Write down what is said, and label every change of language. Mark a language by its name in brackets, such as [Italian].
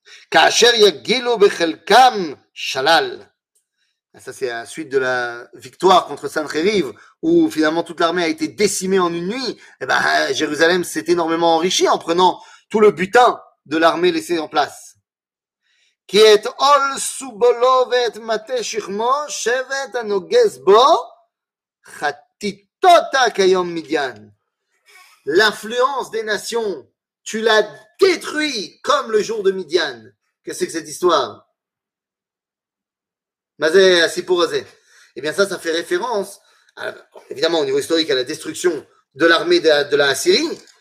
[Hebrew] כאשר יגילו בחלקם שלל. [French] Ça c'est la suite de la victoire contre Sanhérib, où finalement toute l'armée a été décimée en une nuit. Et ben Jérusalem s'est énormément enrichie en prenant tout le butin de l'armée laissée en place. [Hebrew] כי את עול סובלו ואת מטה שכמו שבט הנוגס בו חטיטותה כיום מדיין. [French] L'influence des nations, tu l'as détruit comme le jour de Midian. Qu'est-ce que cette histoire? [Hebrew] Mazé Asipurazé. [French] Eh bien, ça fait référence, évidemment, au niveau historique, à la destruction de l'armée de la Assyrie.